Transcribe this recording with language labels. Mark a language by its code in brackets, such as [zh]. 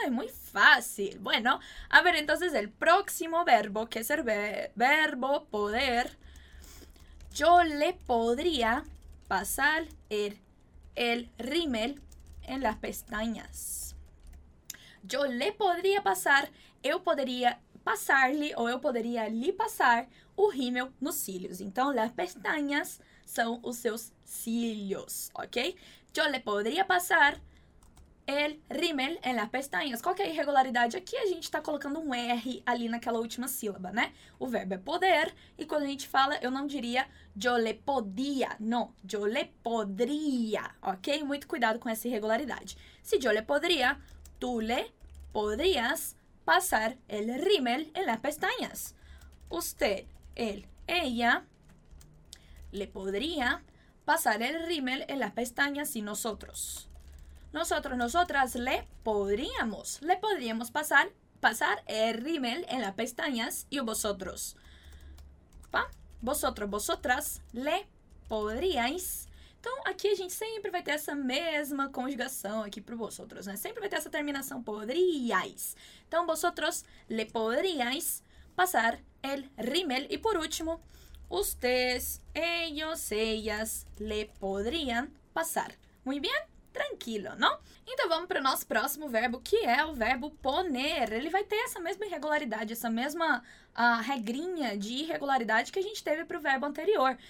[es] Es muy fácil. Bueno, a ver, entonces, el próximo verbo, que es el verbo poder. Yo le podría pasar el rímel en las pestañas. Yo le podría pasar, [pt] eu poderia, passar-lhe, ou eu poderia lhe passar, o rímel nos cílios. Então, [es] las pestañas [pt] são os seus cílios, ok? [es] Yo le podría pasar el rímel en las pestañas. [pt] Qual que é a irregularidade? Aqui a gente está colocando um R ali naquela última sílaba, né? O verbo é poder, e quando a gente fala, eu não diria [es] yo le podía, no, yo le podría, [pt] ok? Muito cuidado com essa irregularidade. [es] Si yo le podría, tú le podrías pasar el rímel en las pestañas. Usted, él, ella, le podría pasar el rímel en las pestañas y nosotros. Nosotros, nosotras, le podríamos pasar el rímel en las pestañas y vosotros. ¿Pa? Vosotros, vosotras, le podríais. [pt] Então, aqui a gente sempre vai ter essa mesma conjugação aqui para vosotros, né? Sempre vai ter essa terminação, podríais. [es] Então, vosotros le podríais pasar el rímel. E por último, ustedes, ellos, ellas le podrían pasar. Muy bien? Tranquilo, [pt] não? Então, vamos para o nosso próximo verbo, que é o verbo poner. Ele vai ter essa mesma irregularidade, essa mesma regrinha de irregularidade que a gente teve para o verbo anterior.